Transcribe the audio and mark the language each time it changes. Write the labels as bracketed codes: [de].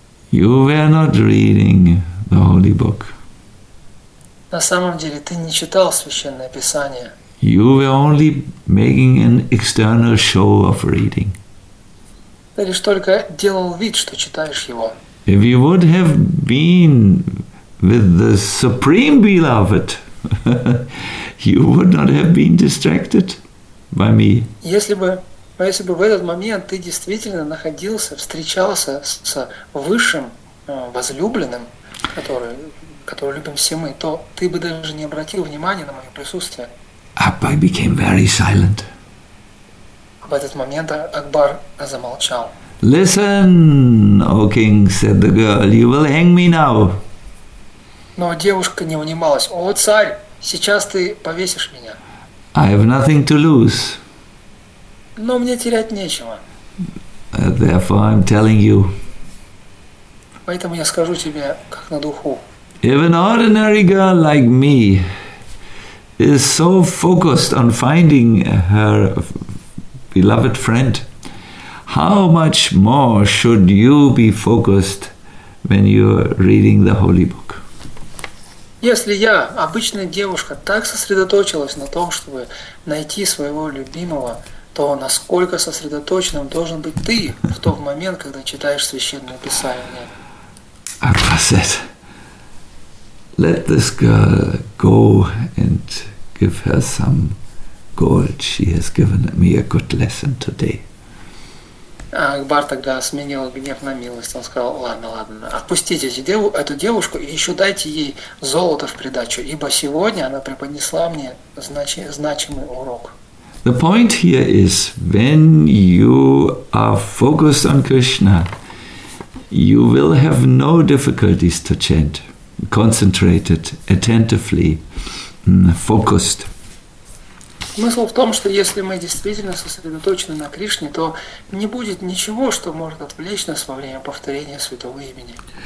[en] You were not reading the holy book. [ru] На самом деле, ты не читал священное писание. [en] You were only making an external show of reading. [ru] Ты лишь только делал вид, что читаешь его. [en] If you would have been with the supreme beloved, you would not have been distracted by me. [ru] Если бы в этот момент ты действительно находился, встречался с высшим возлюбленным, который любим все мы, то ты бы даже не обратил внимания на мое присутствие. [en] Abba became very silent. [ru] В этот момент Акбар замолчал. [en] Listen, O king, said the girl, you will hang me now. [ru] Но девушка не унималась. О, царь, сейчас ты повесишь меня. [en] I have nothing to lose. [ru] Но мне терять нечего. [en] Therefore, I'm telling you. [ru] Поэтому я скажу тебе, как на духу. [en] If an ordinary girl like me is so focused on finding her beloved friend, how much more should you be focused when you're reading the holy book? [ru] Если я, обычная девушка, так сосредоточилась на том, чтобы найти своего любимого, то насколько сосредоточенным должен быть ты в тот момент, когда читаешь священное писание? [en] Akba said, let this girl go and give her some gold. She has given me a good lesson today. [ru] Акбар тогда сменил гнев на милость. Он сказал, ладно, отпустите эту девушку и еще дайте ей золото в придачу, ибо сегодня она преподнесла мне значимый урок. [en] The point here is, when you are focused on Krishna, you will have no difficulties to chant, concentrated, attentively, focused. [ru] Смысл в том, что если мы действительно сосредоточены на Кришне, то не будет ничего, что может отвлечь нас во время повторения святого имени.